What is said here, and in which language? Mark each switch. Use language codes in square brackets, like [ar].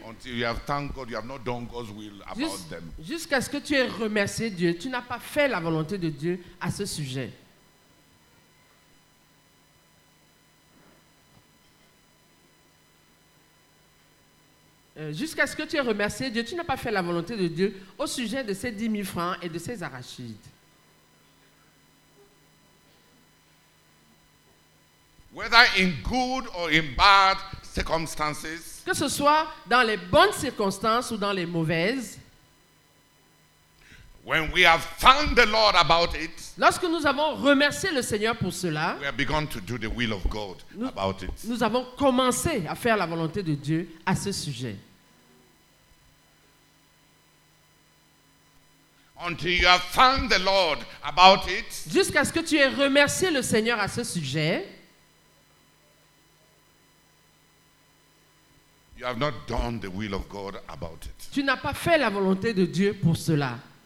[en] Until you have thanked God, you have not done God's will about them. [fr] Jusqu'à ce que tu aies remercié Dieu, tu n'as pas fait la volonté de Dieu à ce sujet. Jusqu'à ce que tu aies remercié Dieu, tu n'as pas fait la volonté de Dieu au sujet de ces 10,000 francs et de ces arachides. [en] Whether in good or in bad circumstances, [fr] que ce soit dans les bonnes circonstances ou dans les mauvaises, [en] when we have thanked the Lord about it, [fr] lorsque nous avons remercié le Seigneur pour cela, [en] we have begun to do the will of God about it. [fr] Nous avons commencé à faire la volonté de Dieu à ce sujet. [en] Until you have thanked the Lord about it, [fr] jusqu'à ce que tu aies remercié le Seigneur à ce sujet, [en] you have not done the will of God about it. [fr] Tu n'as pas fait la volonté de Dieu pour cela.